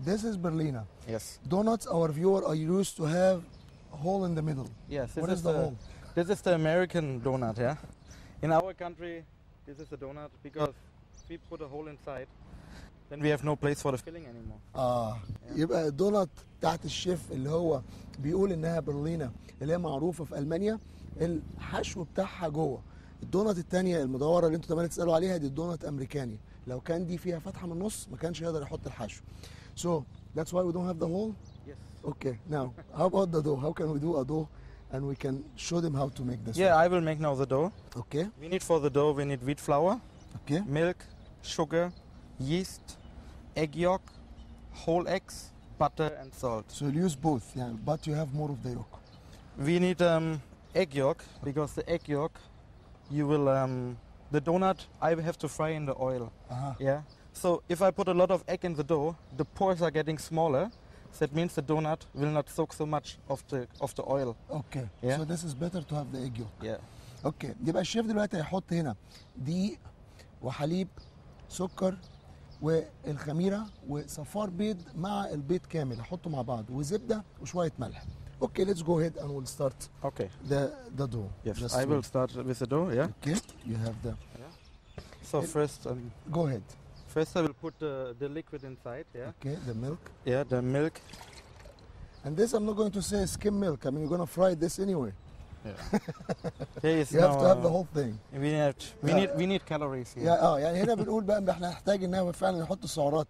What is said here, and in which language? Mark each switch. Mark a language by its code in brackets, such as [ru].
[en] This is Berliner. Yes. Donuts, our viewer, are used to have hole in the middle. Yes. What is the hole? This is the American donut, yeah? In our country, this is a donut because we put a hole inside, then we have no place for the filling anymore. [ar] يبقى الدونات تحت الشيف اللي هو بيقول انها برلينة اللي هي معروفة في ألمانيا, الحشو بتاعها جوه. الدونات التانية المدورة اللي انتو تمام تسألوا عليها دي الدونات أمريكانية. لو كان دي فيها فتحة من النص ما كانش يقدر يحط الحشو. [en] So that's why we don't have the hole? Yes. Okay, now how about the dough? How can we do a dough and we can show them how to make this? Yeah, one? I will make now the dough. Okay. We need for the dough, we need wheat flour, okay. Milk, sugar, yeast, egg yolk, whole eggs, butter and salt. So you'll use both, yeah, but you have more of the yolk. We need egg yolk because the egg yolk you will the donut I have to fry in the oil. Uh-huh. Yeah. So if I put a lot of egg in the dough, the pores are getting smaller. So that means the donut will not soak so much of the oil. Okay. Yeah? So this is better to have the egg yolk. Yeah. Okay. [ar] يبقى الشيف دلوقتي هيحط هنا دقيق وحليب سكر والخميرة وصفار بيض مع البيض كامل هحطه مع بعض وزبدة وشوية ملح. [en] Okay, let's go ahead and we'll start. Okay. The dough. Yes, I will start with the dough. Yeah. Okay. You have the. Yeah. So first. Go ahead. First, I will put the liquid inside. Yeah. Okay. The milk. Yeah, the milk. And this, I'm not going to say skim milk. I mean, you're going to fry this anyway. Yeah. You have to have the whole thing. We need calories here. Yeah. [ar] يعني هنا بنقول بقى احنا نحتاج ان فعلا نحط سعرات.